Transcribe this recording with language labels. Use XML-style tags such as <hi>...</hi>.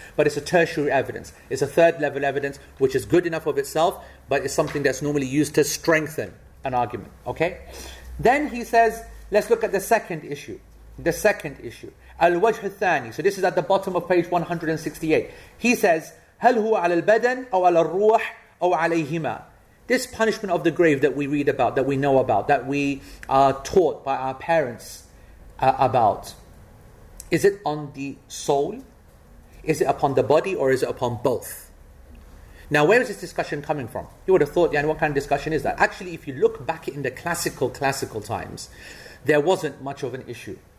<en>But it's a tertiary evidence. It's a third level evidence, which is good enough of itself, but it's something that's normally used to strengthen an argument. Okay? Then he says, let's look at the second issue. The second issue. Al-Wajh al-Thani. So this is at the bottom of page 168. He says,</en> <ar>هل هو على البدن أو على الروح أو عليهما?</ar> <en>This punishment of the grave that we read about, that we know about, that we are taught by our parents about, is it on the soul? Is it upon the body, or is it upon both? Now, where is this discussion coming from? You would have thought, yeah, what kind of discussion is that? Actually, if you look back in the classical times, there wasn't much of an issue.</en>